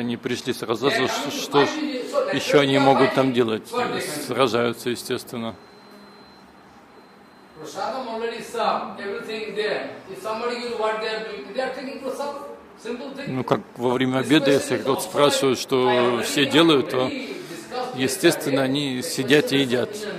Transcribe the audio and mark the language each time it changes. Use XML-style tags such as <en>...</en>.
<ru>Они пришли сразу, что еще они могут там делать, сражаются, естественно.</ru> <en>Prasadam already served. Everything there. If somebody knew what they are doing, they are taking prasadam. Simple thing.</en> <ru>Ну как во время обеда, если кто-то спрашивает, что все делают, то естественно они сидят и едят.</ru>